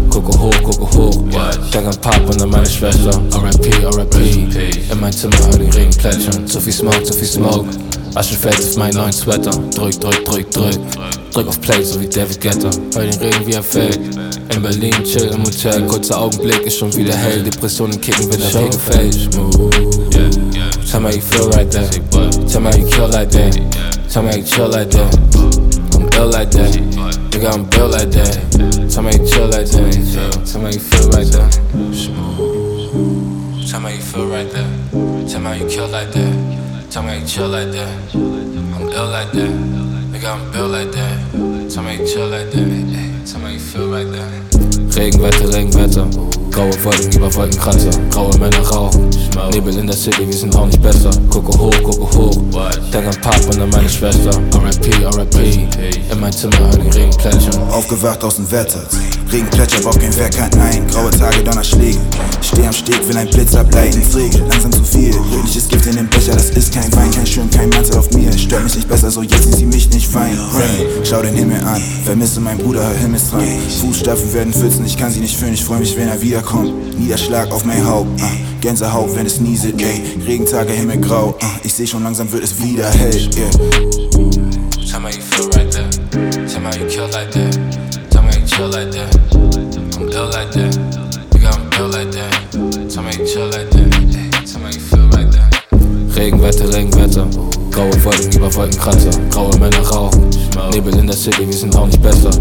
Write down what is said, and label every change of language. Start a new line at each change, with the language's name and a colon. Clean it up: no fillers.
German: Gucke hoch, denk an Pop und an meine Schwester. R.I.P., R.I.P., in mein Zimmer hör den Regen plätschern. Zu viel Smoke, Asche fällt auf meinen neuen Sweater. Drück, drück, drück, drück, drück auf Play, so wie David Guetta. Hör den Regen, wie er fällt, in Berlin, chill im Hotel. Kurzer Augenblick, ist schon wieder hell, Depressionen kicken, wenn der Regen fällt.
English: Tell me how you feel right there. Tell me how you kill like that. Tell me how you chill like that. I'm ill like that. Nigga, I'm built like that. Tell me how you chill like that. Tell me how you feel like that. Tell me how you feel right there. Tell me how you kill like that. Tell me how you chill like that. I'm ill like that. Nigga, I'm built like that. Tell me how you chill like that. Tell me how you feel like that.
German: Regenwetter, Regenwetter, graue Wolken über Wolkenkratzer, graue Männer rauchen, Nebel in der City, wir sind auch nicht besser. Gucke hoch, denk an Pop und an meine Schwester. R.I.P., R.I.P., in mein Zimmer hör den Regen plätschern. Aufgewacht aus dem Wetter, Regen plätschert, braucht kein Wecker, nein. Graue Tage, Donnerschläge, steh am Steg, will ein Blitz ableiten. Fliege, langsam zu viel, rötliches Gift in den Becher. Das ist kein Wein, kein Schirm, kein Mantel auf mir. Stört mich nicht besser, so jetzt sieht sie mich nicht fein. Rain, schau den Himmel an, vermisse mein Bruder, hör Himmelsrang. Fußstapfen werden Pfützen, ich kann sie nicht fühlen. Ich freu mich, wenn er wiederkommt, Niederschlag auf mein Haupt. Gänsehaut, wenn es nieselt, ey. Regentage, Himmel grau, ich seh schon langsam wird es wieder hell, yeah.
English: Tell me how you feel right there. Tell me how you kill like that. Chill like that, I'm ill like that. Nigga, I'm ill like that. Tell me you chill like that. Tell me you feel like that.
German: Regenwetter, Regenwetter, graue Wolken über Wolkenkratzer, graue Männer rauchen, Nebel in der City, wir sind auch nicht besser.